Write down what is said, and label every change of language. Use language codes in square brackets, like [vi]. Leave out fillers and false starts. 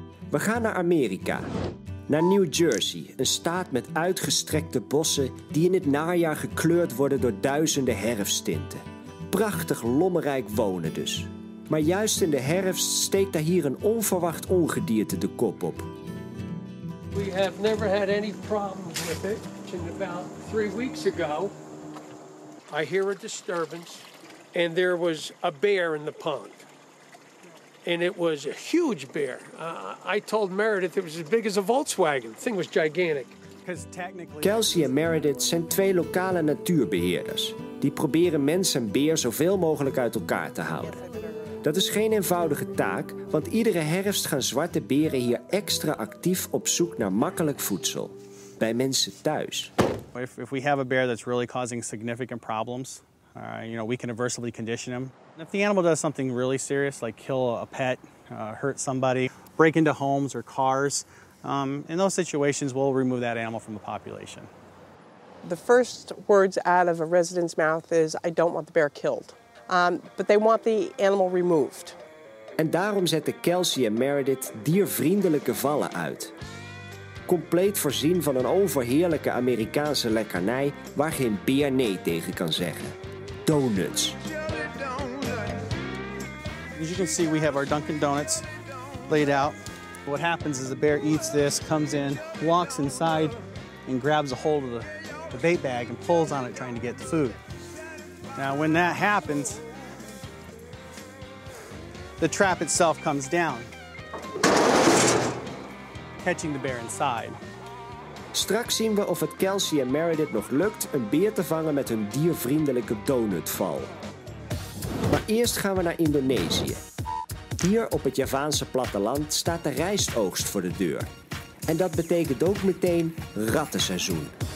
[nl] We gaan naar Amerika. Naar New Jersey, een staat met uitgestrekte bossen... die in het najaar gekleurd worden door duizenden herfsttinten. Prachtig lommerrijk wonen dus. Maar juist in de herfst steekt daar hier een onverwacht ongedierte de kop op. [en] We have never had any problems with it. And about 3 weeks ago, I hear a disturbance and there was a bear in the pond. And it was a huge bear. I told Meredith it was as big as a Volkswagen. The thing was gigantic. [nl] Kelsey en Meredith zijn twee lokale natuurbeheerders. Die proberen mens en beer zoveel mogelijk uit elkaar te houden. Dat is geen eenvoudige taak, want iedere herfst gaan zwarte beren hier extra actief op zoek naar makkelijk voedsel. Bij mensen thuis. [en] If we have a bear that's really causing significant problems, you know, we can aversively condition him. If the animal does something really serious, like kill a pet, hurt somebody, break into homes or cars, in those situations, we'll remove that animal from the population. The first words out of a resident's mouth is, I don't want the bear killed. But they want the animal removed. [nl] En daarom zetten Kelsey en Meredith diervriendelijke vallen uit. Compleet voorzien van een overheerlijke Amerikaanse lekkernij waar geen beer nee tegen kan zeggen. Donuts. [en] As you can see, we have our Dunkin' Donuts laid out. What happens is the bear eats this, comes in, walks inside and grabs a hold of the bait bag and pulls on it trying to get the food. Now when that happens, the trap itself comes down, catching the bear inside. [nl] Straks zien we of het Kelsey en Meredith nog lukt een beer te vangen met hun diervriendelijke donutval. Maar eerst gaan we naar Indonesië. Hier op het Javaanse platteland staat de rijstoogst voor de deur. En dat betekent ook meteen rattenseizoen.